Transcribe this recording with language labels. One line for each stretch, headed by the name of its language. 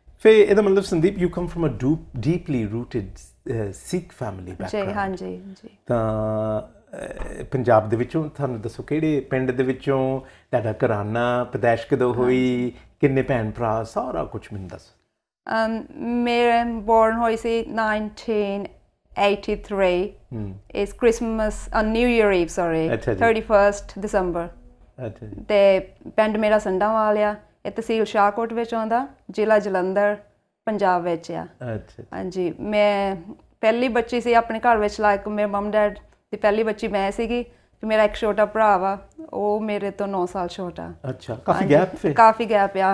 Punjabi: ਫਿਰ ਇਹਦਾ ਮਤਲਬ
English: Sandeep you come from a deeply rooted Sikh family background
Punjabi: ਜੀ ਹਾਂਜੀ ਜੀ ਤਾਂ ਪੰਜਾਬ ਦੇ ਵਿੱਚੋਂ ਤੁਹਾਨੂੰ ਦੱਸੋ ਕਿਹੜੇ ਪਿੰਡ ਦੇ ਵਿੱਚੋਂ ਤੁਹਾਡਾ ਘਰਾਨਾ ਪੈਦਾਇਸ਼ ਕਦੋਂ ਹੋਈ ਕਿੰਨੇ ਭੈਣ ਭਰਾ ਸਾਰਾ ਕੁਛ ਮੈਨੂੰ ਦੱਸੋ ਮੇਰੇ ਬੋਰਨ ਹੋਈ ਸੀ 1980
English: 83 is Christmas, New Year Eve, sorry, 31st December.
Punjabi: ਤੇ ਪਿੰਡ ਮੇਰਾ ਸੰਡਾ ਵਾਲ ਆ, ਇਹ ਤਹਿਸੀਲ ਸ਼ਾਹਕੋਟ ਵਿੱਚ ਆਉਂਦਾ, ਜ਼ਿਲ੍ਹਾ ਜਲੰਧਰ ਪੰਜਾਬ ਵਿੱਚ ਆ। ਹਾਂਜੀ, ਮੈਂ ਪਹਿਲੀ ਬੱਚੀ ਸੀ ਆਪਣੇ ਘਰ ਵਿੱਚ, ਲਾਇਕ ਮੇਰੇ ਮੰਮ ਡੈਡ ਦੀ ਪਹਿਲੀ ਬੱਚੀ ਮੈਂ ਸੀਗੀ। ਮੇਰਾ ਇੱਕ ਛੋਟਾ ਭਰਾ ਵਾ, ਉਹ ਮੇਰੇ ਤੋਂ 9 ਸਾਲ ਛੋਟਾ। ਕਾਫੀ ਗੈਪ ਆ।